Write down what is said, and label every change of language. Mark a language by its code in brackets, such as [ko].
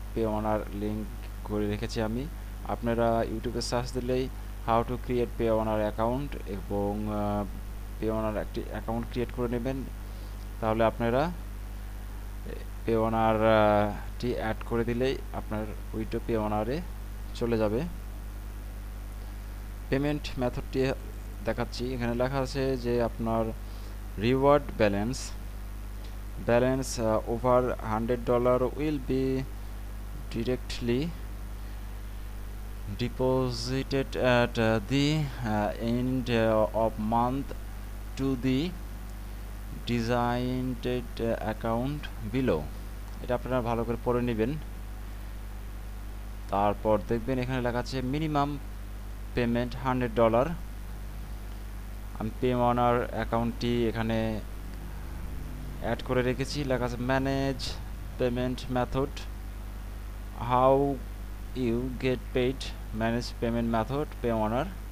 [bn] পেওয়ানার link করে রেখেছি আমি, আপনারা ইউটিউবে সার্চ দিলেই [en] how to create Payoneer account [bn] এবং পেওয়ানার একটি অ্যাকাউন্ট ক্রিয়েট করে নেবেন, তাহলে আপনারা পেওয়ানারটি অ্যাড করে দিলেই আপনার উইথড্র পেওয়ানারে চলে যাবে। পেমেন্ট মেথডটি দেখাচ্ছি, এখানে লেখা আছে যে আপনার [en] Reward balance, balance over $100 will be directly deposited at the end of month to the designated account below. [bn] এটা আপনারা ভালো করে পড়ে নেবেন। তারপর দেখবেন এখানে লেখা আছে মিনিমাম পেমেন্ট $100। আমি পেমানার অ্যাকাউন্টটি এখানে অ্যাড করে রেখেছি। লেখা আছে manage payment method, [en] how you get paid, [bn] manage payment method পেমানার।